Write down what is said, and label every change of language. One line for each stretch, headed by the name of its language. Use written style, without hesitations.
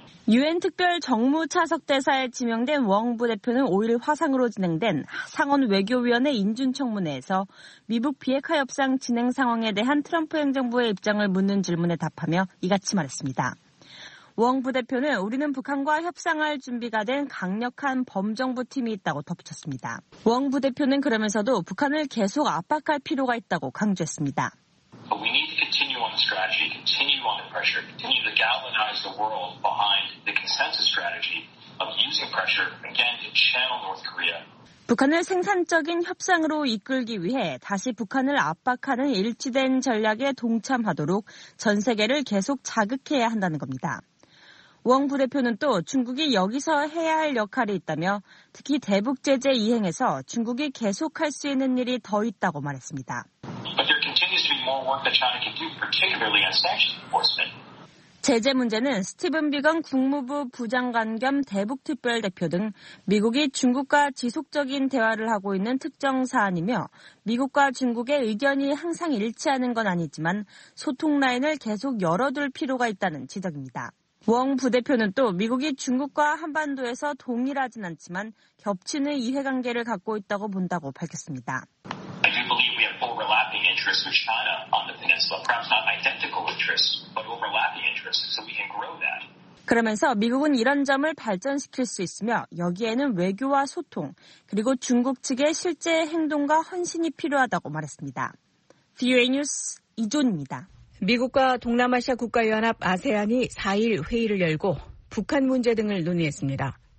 Korean: 유엔 특별 정무차석대사에 지명된 웡 부대표는 5일 화상으로 진행된 상원 외교위원회 인준청문회에서 미북 비핵화 협상 진행 상황에 대한 트럼프 행정부의 입장을 묻는 질문에 답하며 이같이 말했습니다. 웡 부대표는 우리는 북한과 협상할 준비가 된 강력한 범정부 팀이 있다고 덧붙였습니다. 웡 부대표는 그러면서도 북한을 계속 압박할 필요가 있다고 강조했습니다.
English: We need to continue on the strategy, continue on the pressure, continue to galvanize the world behind the consensus strategy of using pressure again to channel North Korea.
Korean: 북한을 생산적인 협상으로 이끌기 위해 다시 북한을 압박하는 일치된 전략에 동참하도록 전 세계를 계속 자극해야 한다는 겁니다. 웡 부대표는 또 중국이 여기서 해야 할 역할이 있다며 특히 대북 제재 이행에서 중국이 계속 할 수 있는 일이 더 있다고 말했습니다.
English: But there continues to be more work that China can do, particularly on sanctions enforcement.
Korean: 제재 문제는 스티븐 비건 국무부 부장관 겸 대북특별대표 등 미국이 중국과 지속적인 대화를 하고 있는 특정 사안이며 미국과 중국의 의견이 항상 일치하는 건 아니지만 소통 라인을 계속 열어둘 필요가 있다는 지적입니다. 웡 부대표는 또 미국이 중국과 한반도에서 동일하진 않지만 겹치는 이해관계를 갖고 있다고 본다고 밝혔습니다.
English: Overlapping interests with China on the peninsula, perhaps not identical interests, but overlapping interests, so we can grow that.
Korean: 그러면서 미국은 이런 점을 발전시킬 수 있으며 여기에는 외교와 소통 그리고 중국 측의 실제 행동과 헌신이 필요하다고 말했습니다. VOA 뉴스 이존입니다. 미국과 동남아시아 국가연합 아세안이 4일 회의를 열고 북한 문제 등을 논의했습니다.